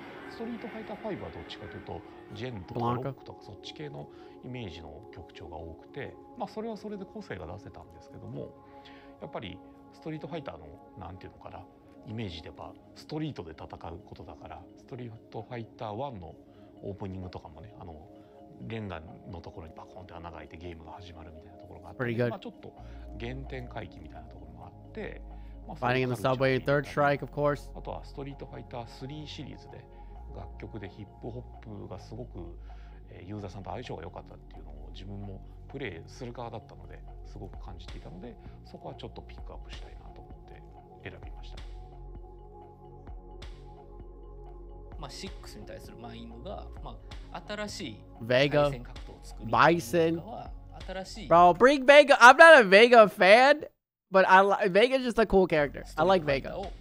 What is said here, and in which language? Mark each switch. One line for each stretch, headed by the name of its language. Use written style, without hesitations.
Japanese: ストリートファイター5はどっちかというとジェンとかロックとかそっち系のイメージの曲調が多くて、まあ、それはそれで個性が出せたんですけどもやっぱりストリートファイターのなんていうのかなイメージではストリートで戦うことだからストリートファイター1のオープニングとかもねあのレンガのところにパコンって穴が開いてゲームが始まるみたいなところがあって、まあ、ちょっと原点回帰みたいなところもあって、
English: まあ、Fighting in the Subway in Third Strike, of course.
Japanese: あとはストリートファイター3シリーズで楽曲でヒップホップがすごくユーザーさんと相性が良かったっていうのを自分もプレイする側だったのですごく感じていたのでそこはちょっとピックアップしたいなと思って選びました。まあ6に対するマインドが、まあ、新しい
English: Vega
Japanese: バイセン新しい
English: Bro, bring Vega. I'm not a Vega fan, but Vega is just a cool character. I like Vega.